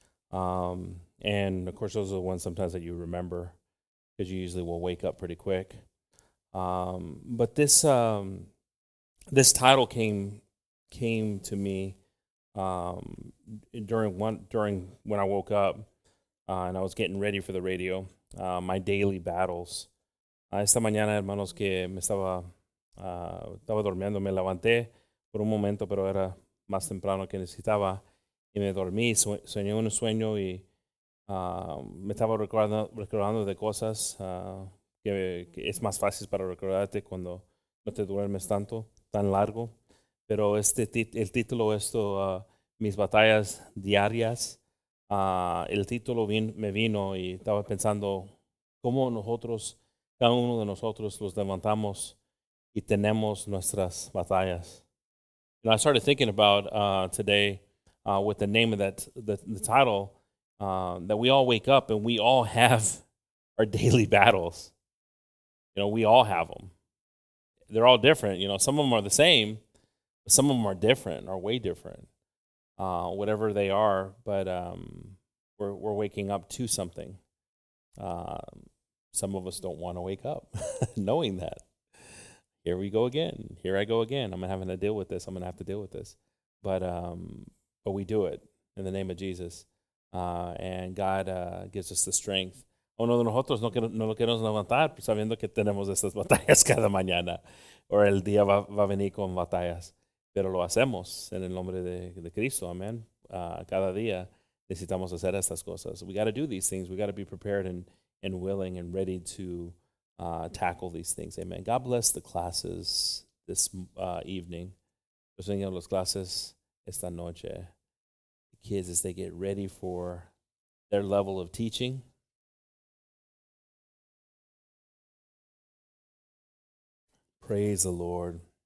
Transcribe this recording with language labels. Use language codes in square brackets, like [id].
[en] And, of course, those are the ones sometimes that you remember because you usually will wake up pretty quick. But this... this title came to me during when I woke up and I was getting ready for the radio. My daily battles. [es] Esta mañana, hermanos, que me estaba durmiendo, me levanté por un momento, pero era más temprano que necesitaba y me dormí. Soñé un sueño y me estaba recordando de cosas que es más fácil para recordarte cuando no te duermes tanto. Tan largo, pero este el título esto mis batallas diarias, el título me vino y estaba pensando cómo nosotros, cada uno de nosotros los levantamos y tenemos nuestras batallas. [en] And I started thinking about today with the name of that the title that we all wake up and we all have our daily battles. You know, we all have them. They're all different, you know. Some of them are the same, but some of them are different, are way different. Whatever they are, but we're waking up to something. Some of us don't want to wake up, knowing that. Here we go again. Here I go again. I'm having to deal with this. I'm gonna have to deal with this. But we do it in the name of Jesus, and God gives us the strength. [es] Uno de nosotros no lo queremos levantar sabiendo que tenemos estas batallas cada mañana o el día va a venir con batallas. Pero lo hacemos en el nombre de Cristo. Amen. Cada día necesitamos hacer estas cosas. [en] We got to do these things. We got to be prepared and willing and ready to tackle these things. Amen. God bless the classes this evening. [es] Los enseñan las clases esta noche. [en] Kids, as they get ready for their level of teaching, praise the Lord.